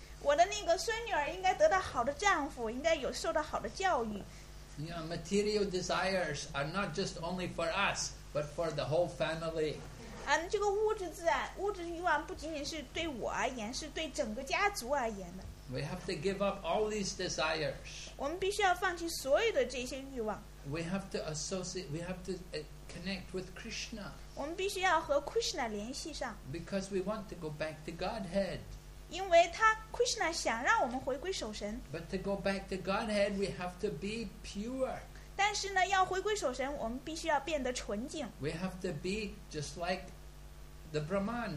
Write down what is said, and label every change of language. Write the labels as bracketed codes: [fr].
[zh] 我的那个孙女儿应该得到好的丈夫，应该有受到好的教育。 [en] You know, material desires are not just only for us, but for the whole family. [zh] 这个物质欲望不仅仅是对我而言，是对整个家族而言的。 [en] We have to give up all these desires. [zh] 我们必须要放弃所有的这些欲望。 [en] We have to associate, we have to connect with Krishna. [zh] 我们必须要和Krishna联系上。 [en] Because we want to go back to Godhead. [zh] 因为Krishna想让我们回归守神。 [en] But to go back to Godhead, we have to be pure. [zh] 但是呢，要回归守神，我们必须要变得纯净。 [en] We have to be just like the Brahman.